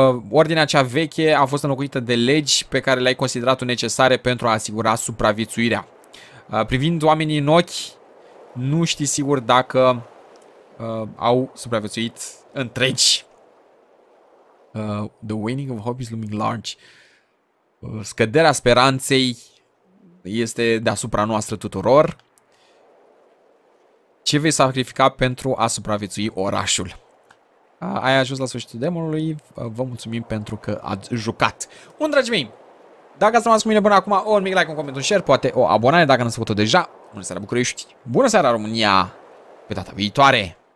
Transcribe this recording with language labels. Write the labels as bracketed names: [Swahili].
[Romanian] Ordinea cea veche a fost înlocuită de legi pe care le-ai considerat-o necesare pentru a asigura supraviețuirea. Privind oamenii în ochi, nu știi sigur dacă au supraviețuit întregi. [English] The waning of hope is looming large. [Romanian] Scăderea speranței este deasupra noastră tuturor. Ce vei sacrifica pentru a supraviețui orașul? Ai ajuns la sfârșitul demonului. Vă mulțumim pentru că ați jucat. Bun, dragii mei, dacă ați rămas cu mine până acum, un mic like, un coment, un share, poate o abonare dacă n-ați făcut-o deja. Bună seara, București! Bună seara, România! Pe data viitoare!